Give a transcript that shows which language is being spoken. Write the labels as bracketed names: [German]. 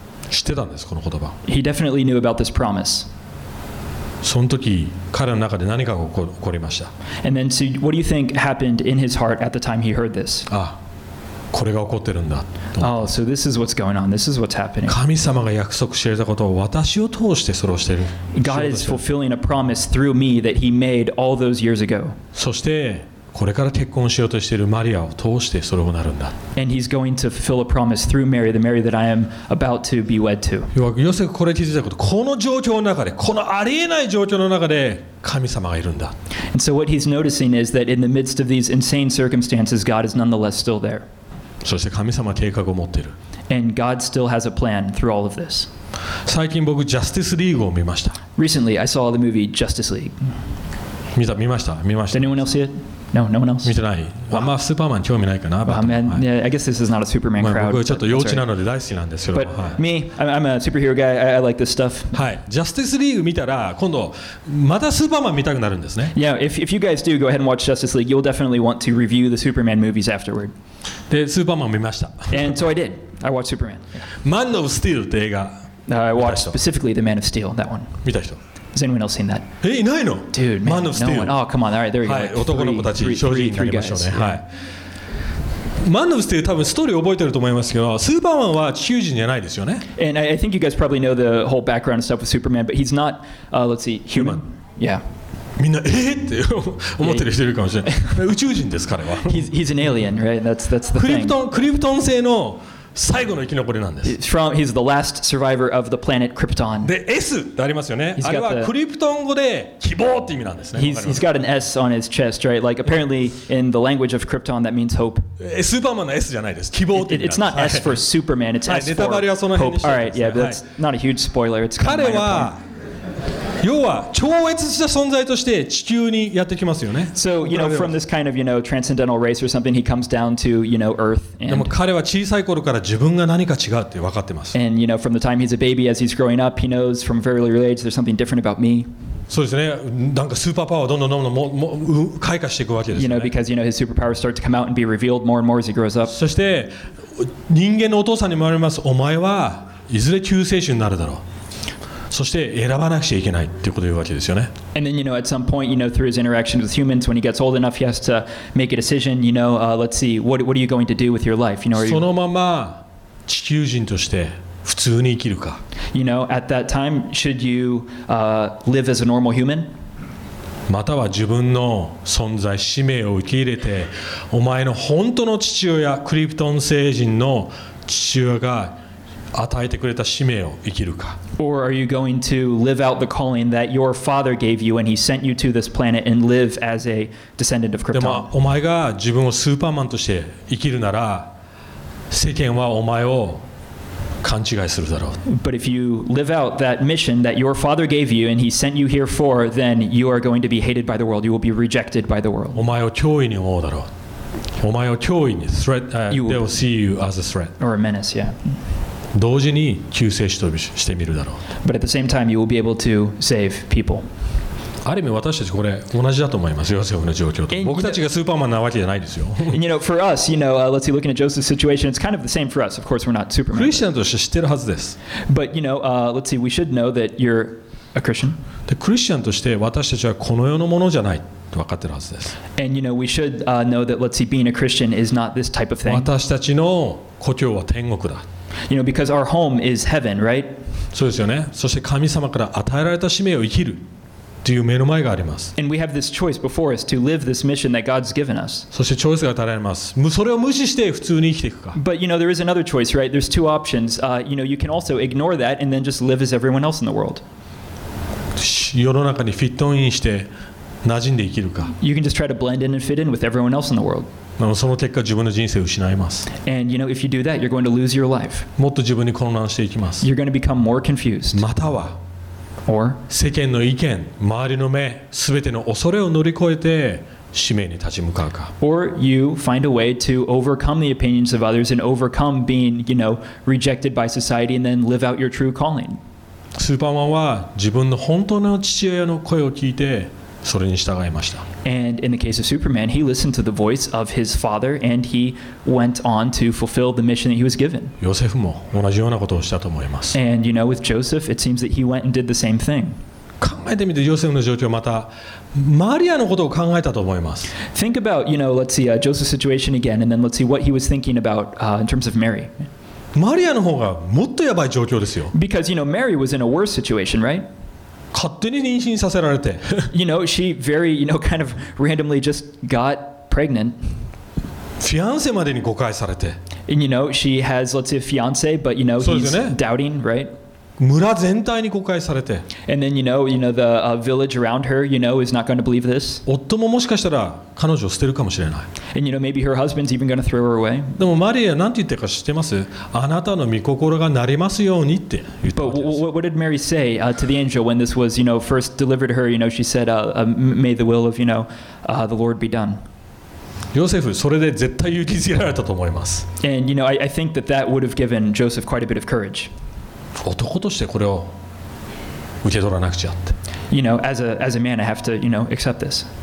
[Japanese] 知ってたんです、この言葉。 [English] He definitely knew about this promise. [Japanese] その時、彼の中で何かが起こりました。 [English] And then, so what do you think happened in his heart at the time he heard this? [Japanese] ああ。これが起こってるんだ。 [English] Oh, so this is what's going on. This is what's happening. [Japanese] 神様が約束していたことを私を通してそれをしている。 [English] God is fulfilling a promise through me that He made all those years ago. [Japanese] そしてこれから結婚しようとしているマリアを通してそれをなるんだ。 [English] And He's going to fulfill a promise through Mary, the Mary that I am about to be wed to. [Japanese] ヨセフこれ気づいたこと、この状況の中で、このありえない状況の中で。神様がいるんだ。 [English] And so what he's noticing is that in the midst of these insane circumstances, God is nonetheless still there. [Japanese] そして神様は計画を持っている。 [English] And God still has a plan through all of this. [Japanese] 最近僕ジャスティスリーグを見ました。 [English] Recently, I saw the movie Justice League. [Japanese] 見ました。 [English] Did anyone else see it? No, no one else. [Japanese] 見てない。あんまスーパーマン興味ないかな。 [English] I guess this is not a Superman crowd. [Japanese] 僕はちょっと幼稚なので大好きなんですけど。 [English] But me, I'm a superhero guy. I like this stuff. [Japanese] はい。ジャスティスリーグ見たら今度またスーパーマン見たくなるんですね。 [English] Yeah, if you guys do go ahead and watch Justice League, you'll definitely want to review the Superman movies afterward. [Japanese] で、スーパーマン見ました。 [English] And so I did. I watched Superman. [Japanese] Man of Steel って映画。 [English] I watched specifically The Man of Steel, that one. [Japanese] 見た人。 [English] Has anyone else seen that? [Japanese] え、いないの? [English] Dude, man, Man of Steel. No one. Oh, come on. All right, there you go. [Japanese] はい、男の子たち、正直になりましょうね。はい。Man of Steel 多分ストーリー覚えてると思いますけど、スーパーマンは地球人じゃないですよね。 [English] And I think you guys probably know the whole background stuff with Superman, but he's not, let's see, human. Yeah. [Japanese] みんな、って思ってる人いるかもしれない。宇宙人です、彼は。 [English] He's an alien, right? That's the thing. [Japanese] クリプトン製の最後の生き残りなんです。 [English] He's the last survivor of the planet Krypton. [Japanese] で、S ってありますよね。あれはクリプトン語で希望って意味なんですね。 [English] He's got an S on his chest, right? Like apparently in the language of Krypton, that means hope. [Japanese] スーパーマンの S じゃないです。希望って意味なんです。 [English] It's not S for Superman. It's S for hope. [Japanese] ネタバレはその辺にしてください。 [English] All right, yeah, that's not a huge spoiler. It's kind of [Japanese] 要は超越した存在として地球にやってきますよね。 [English] So, you know, from this kind of, you know, transcendental race or something, he comes down to, you know, Earth. [Japanese] でも彼は小さい頃から自分が何か違うって分かってます。 [English] And, you know, from the time he's a baby, as he's growing up, he knows from very early age, there's something different about me. [Japanese] そうですね。なんかスーパーパワーをどんどん開花していくわけですね。 [English] You know, because, you know, his superpowers start to come out and be revealed more and more as he grows up. [Japanese] そして人間のお父さんにも言われます。お前はいずれ救世主になるだろう。そして選ばなくちゃいけないっていうことを言うわけですよね。 [English] And then, you know, at some point, you know, through his interactions with humans, when he gets old enough, he has to make a decision, you know, let's see, what are you going to do with your life? You know, [Japanese] そのまま地球人として普通に生きるか。 [English] You know, at that time, should you live as a normal human? [Japanese] または自分の存在、使命を受け入れて、お前の本当の父親、クリプトン星人の父親が与えてくれた使命を生きるか。 [English] Or are you going to live out the calling that your father gave you when he sent you to this planet and live as a descendant of Krypton? [Japanese] でもお前が自分をスーパーマンとして生きるなら、世間はお前を勘違いするだろう。 [English] But if you live out that mission that your father gave you and he sent you here for, then you are going to be hated by the world. You will be rejected by the world. [Japanese] お前を脅威に思うだろう。お前を脅威に [English] threat, they will see you as a threat. Or a menace, yeah. [Japanese] 同時に救世主としてみるだろう。 [English] But at the same time, you will be able to save people. [Japanese] ある意味私たちこれ同じだと思います。ヨセフの状況と。僕たちがスーパーマンなわけじゃないですよ。 [English] And you know, for us, you know, let's see, looking at Joseph's situation, it's kind of the same for us. Of course, we're not Superman. [Japanese] クリスチャンとして知ってるはずです。 [English] But you know, let's see, we should know that you're a Christian. [Japanese] で、クリスチャンとして私たちはこの世のものじゃない。分かってるはずです。 [English] And you know, we should know that, let's see, being a Christian is not this type of thing. [Japanese] 私たちの故郷は天国だ。 [English] You know, because our home is heaven, right? [Japanese] そうですよね。そして神様から与えられた使命を生きるという目の前があります。 [English] And we have this choice before us to live this mission that God's given us. [Japanese] そしてチョイスが与えられます。それを無視して普通に生きていくか。 [English] But you know, there is another choice, right? There's two options. You know, you can also ignore that and then just live as everyone else in the world. [Japanese] 世の中にフィットインして馴染んで生きるか。 [English] You can just try to blend in and fit in with everyone else in the world. [Japanese] その結果自分の人生を失います。 [English] And you know, if you do that, you're going to lose your life. [Japanese] もっと自分に混乱していきます。 [English] You're going to become more confused. [Japanese] または、 [English] Or? [Japanese] 世間の意見、周りの目、すべての恐れを乗り越えて使命に立ち向かうか。 [English] Or you find a way to overcome the opinions of others and overcome being, you know, rejected by society and then live out your true calling. [Japanese] スーパーマンは自分の本当の父親の声を聞いて、それに従いました。 [English] And in the case of Superman, he listened to the voice of his father and he went on to fulfill the mission that he was given. [Japanese] ヨセフも同じようなことをしたと思います。 [English] And you know, with Joseph, it seems that he went and did the same thing. [Japanese] 考えてみて、ヨセフの状況、またマリアのことを考えたと思います。 [English] Think about, you know, let's see, Joseph's situation again and then let's see what he was thinking about, in terms of Mary. [Japanese] マリアの方がもっとやばい状況ですよ。 [English] Because, you know, Mary was in a worse situation, right? [Japanese] 勝手に妊娠させられて。 [English] You know, she very, you know, kind of randomly just got pregnant. [Japanese] フィアンセまでに誤解されて。 [English] And you know, she has, let's say, a fiancé, but you know, he's doubting, right? [Japanese] 村全体に誤解されて。 [English] And then you know the village around her, you know, is not going to believe this. [Japanese] 夫ももしかしたら彼女を捨てるかもしれない。 [English] And you know, maybe her husband's even going to throw her away. [Japanese] でもマリア何て言ってるか知ってます？あなたの御心がなりますようにって言ってます。 [English] But what did Mary say to the angel when this was, you know, first delivered to her? You know, she said, "May the will of, you know, the Lord be done." [Japanese] ヨセフ、それで絶対勇気づけられたと思います。 [English] And you know, I think that would have given Joseph quite a bit of courage. [Japanese] 男としてこれを受け取らなくちゃって。 [English] You know, as a man, I have to, you know, accept this.